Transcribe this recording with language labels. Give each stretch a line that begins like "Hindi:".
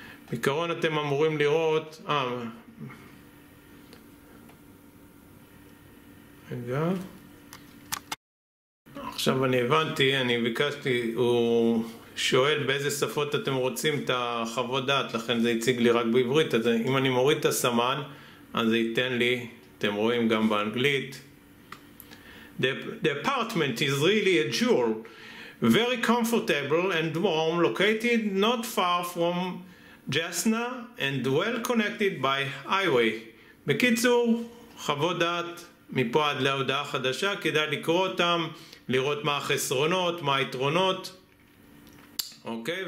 Hebrew: בעיקרון אתם אמורים לראות, רגע. עכשיו אני הבנתי, אני ביקשתי, הוא שואל באיזה שפות אתם רוצים את החוות דעת, לכן זה הציג לי רק בעברית, אז אם אני מוריד את הסמן, אז זה ייתן לי, אתם רואים גם באנגלית.
English: the apartment is really a jewel, very comfortable and warm, located not far from Jasna and well connected by highway.
Hebrew: בקיצור, חוות דעת מפה עד להודעה חדשה, כדאי לקרוא אותם, לראות מה החסרונות, מה היתרונות, אוקיי?